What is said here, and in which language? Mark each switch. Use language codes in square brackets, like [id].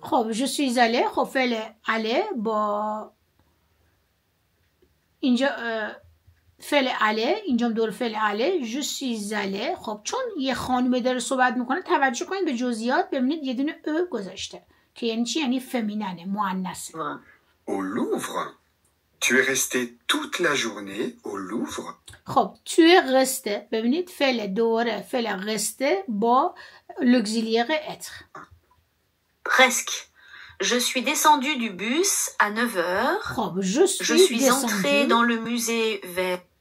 [fa] خب [fr] je suis allé، [fa] خب فعل allé با اینجا فعل allé، اینجا هم دور فعل allé je suis allé. خب چون یه خانم داره صحبت میکنه توجه کنید به جزئیات، ببینید یه دونه او گذاشته که یعنی چی؟ یعنی فمیننه، مؤنثه. [fr] au Louvre. Tu es resté toute la journée au Louvre. [fa] خب [fr] tu es resté، [fa] ببینید فعل دوره، فعل resté با l'auxiliaire être. [fr] Presque. Je suis descendue du bus à 9h. خب je suis entrée dans le musée vers